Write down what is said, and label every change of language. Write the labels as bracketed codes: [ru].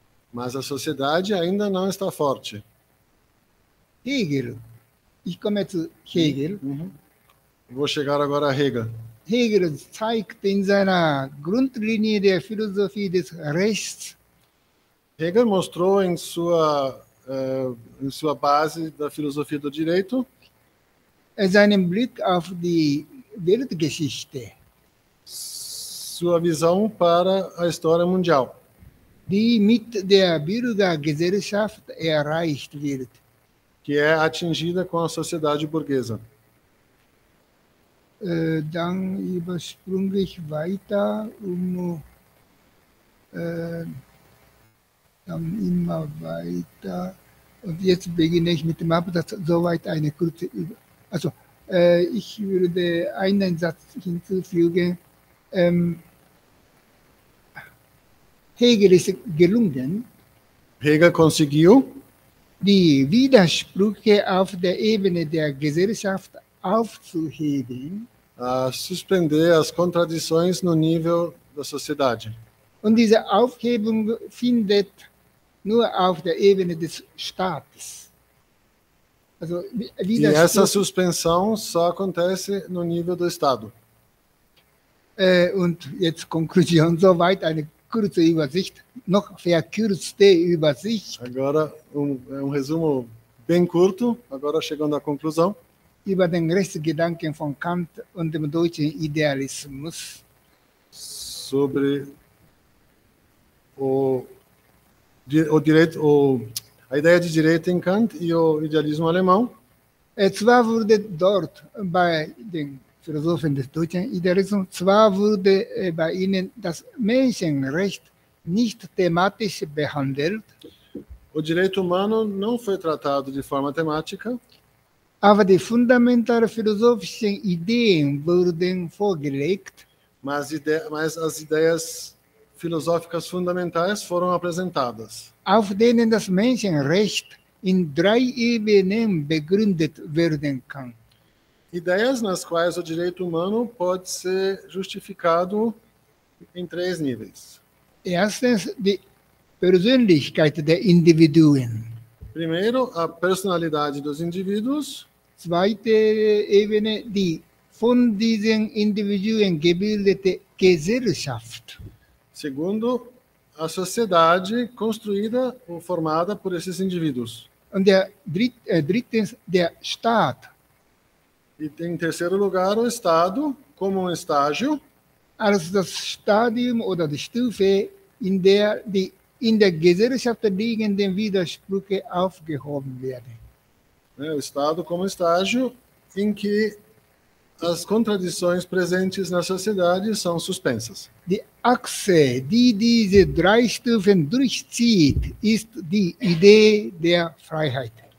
[pt] Mas a sociedade ainda não está forte. [de] Hegel. Ich komme zu Hegel. [pt] Vou chegar agora a Hegel. [de] Hegel zeigt in seiner Grundlinie der Philosophie des Rechts. [pt] Hegel mostrou em sua base da filosofia do direito. [de] Seinen Blick auf die Weltgeschichte. [pt] Sua visão para a história mundial. [de] Die mit der Bürgergesellschaft erreicht wird. [pt] Que é atingida com a sociedade burguesa. [de] Dann übersprunge ich weiter, dann immer weiter. Und jetzt beginne ich mit dem Absatz, soweit eine kurze Übung. Also, ich würde einen Satz hinzufügen. Hegel ist gelungen. [pt] Hegel conseguiu. [de] Die Widersprüche auf der Ebene der Gesellschaft aufzuheben. [pt] A suspender as contradições no nível da sociedade. [de] Und diese Aufhebung findet nur auf der Ebene des Staates. [pt] Also, e essa suspensão só acontece no nível do Estado. [de] Und jetzt Konklusion, soweit eine kurze Übersicht, noch verkürzte Übersicht. [pt] Agora um resumo bem curto, agora chegando à conclusão. [de] Über den Rechtsgedanken von Kant und dem deutschen Idealismus. [pt] Sobre o direito, a ideia de direito em Kant e o idealismo alemão. [de] Zwar wurde dort bei den Philosophen des deutschen Idealismus, zwar wurde bei ihnen das Menschenrecht nicht thematisch behandelt. [pt] O direito humano não foi tratado de forma temática. [de] Aber die fundamentalen philosophischen Ideen wurden vorgelegt. [pt] Mas as ideias filosóficas fundamentais foram apresentadas. [de] Auf denen das Menschenrecht in drei Ebenen begründet werden kann. [pt] Ideias nas quais o direito humano pode ser justificado em três níveis. [de] Erstens, die Persönlichkeit der Individuen. [pt] Primeiro, a personalidade dos indivíduos. [de] Zweite Ebene, die von diesen Individuen gebildete Gesellschaft. [pt] Segundo a sociedade construída ou formada por esses indivíduos. [de] Und der drittens der Staat. [pt] E tem, em terceiro lugar, o Estado como um estágio. [de] Als das Stadium oder die Stufe, in der die in der Gesellschaft liegenden Widersprüche aufgehoben werden. [pt] É, o Estado como estágio em que as contradições presentes na sociedade são suspensas. [de] Die Achse, die diese drei Stufen durchzieht, ist die Idee der Freiheit.